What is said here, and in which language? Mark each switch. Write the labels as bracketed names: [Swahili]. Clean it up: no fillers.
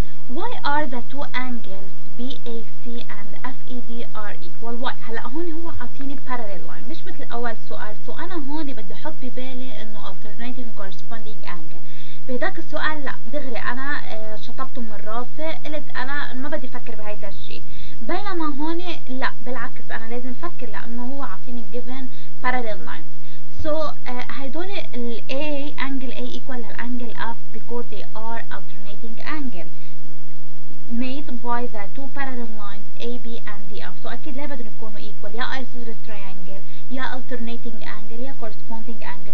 [English] Why are the two angles BAC and FED are equal? Why? [Arabic] هلا هون هو عطيني parallel line مش مثل أول سؤال. سو أنا هون بدي أحط ببالي إنه alternating corresponding angle. بهداك السؤال لا دغري أنا شطبته من راسي، قلت أنا ما بدي أفكر بهيدا الشيء. بينما هون لا بالعكس أنا لازم أفكر لأنه هو عطيني given parallel line. [English] So [Arabic] هيدول ال [English] A angle A equal لل angle F because they are alternating angle made by the two parallel lines AB and DF. [Arabic] So أكيد لا بدهم يكونوا equal، يا isosceles triangle يا alternating angle يا corresponding angle.